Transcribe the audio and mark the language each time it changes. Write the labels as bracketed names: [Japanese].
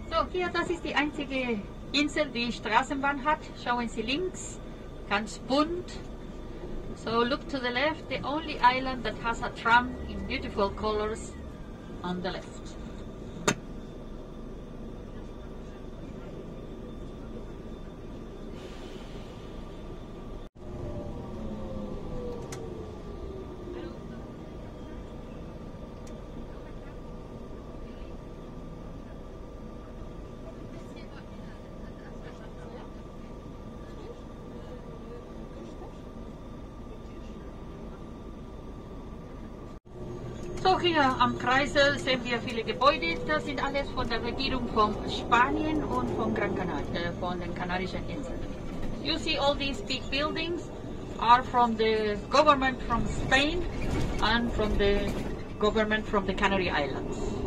[German] Hier, das ist die einzige Insel, die Straßenbahn hat. Schauen Sie links, ganz bunt. [English] So, look to the left, the only island that has a tram in beautiful colors on the left. Thank you. [German] so hier am Kreisel sehen wir viele Gebäude. Das sind alles von der Regierung von Spanien und von Gran Canaria, von den Kanarischen Inseln. [English] You see all these big buildings are from the government from Spain and from the government from the Canary Islands.